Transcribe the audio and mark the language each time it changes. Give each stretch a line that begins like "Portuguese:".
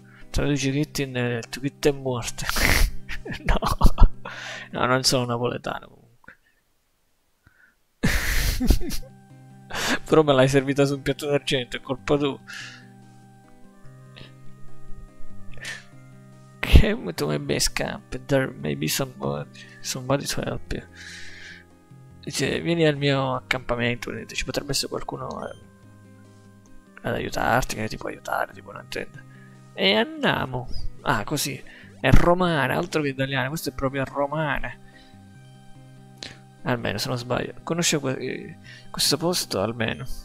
Italian: Traduci Kit in Kit è morte. No. No, non sono napoletano comunque. Però me l'hai servita su un piatto d'argento, è colpa tua.
English: Came to my base camp, there may be somebody to help you.
Italian: Dice, vieni al mio accampamento, vedete, ci potrebbe essere qualcuno ad aiutarti, che ti può aiutare, tipo, non intendo. E andiamo. Ah, così, è romana, altro che italiana, questo è proprio romana. Almeno, se non sbaglio, conosce questo posto, almeno.